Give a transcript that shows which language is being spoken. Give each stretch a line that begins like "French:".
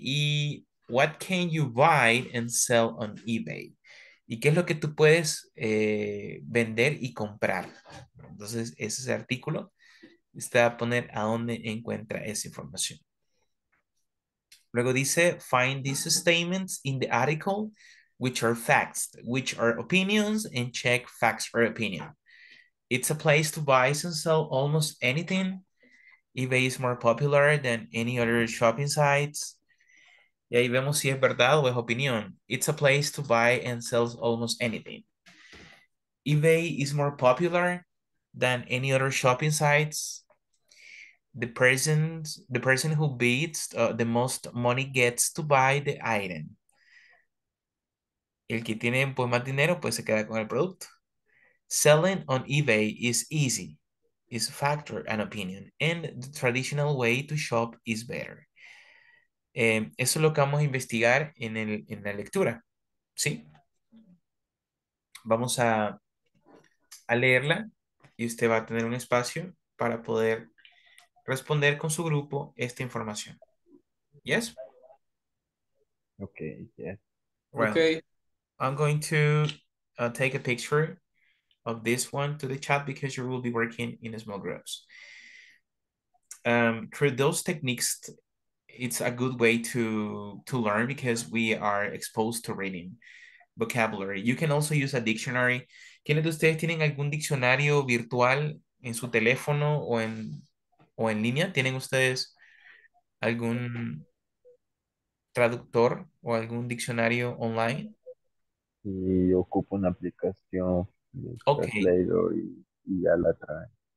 English: Y what can you buy and sell on eBay?
Spanish: ¿Y qué es lo que tú puedes vender y comprar? Entonces, ese es el artículo. Usted va a poner a dónde encuentra esa información. Luego dice,
English: find these statements in the article, which are facts, which are opinions, and check facts or opinion. It's a place to buy and sell almost anything. eBay is more popular than any other shopping sites.
Spanish: Y ahí vemos si es verdad o es opinión.
English: It's a place to buy and sell almost anything. eBay is more popular than any other shopping sites. The person who bids the most money gets to buy the item.
Spanish: El que tiene pues más dinero pues se queda con el producto.
English: Selling on eBay is easy. It's a factor and opinion. And the traditional way to shop is better.
Spanish: Eso es lo que vamos a investigar en la lectura. ¿Sí? Vamos a leerla y usted va a tener un espacio para poder responder con su grupo esta información.
English: ¿Yes? Okay, yeah. Well, okay. I'm going to take a picture of this one to the chat because you will be working in small groups. Through those techniques, it's a good way to learn because we are exposed to reading vocabulary. You can also use a dictionary.
Spanish: ¿Quiénes de ustedes tienen algún diccionario virtual en su teléfono o en línea? ¿Tienen ustedes algún traductor o algún diccionario online? Sí, yo ocupo una aplicación de translator y ya la traen.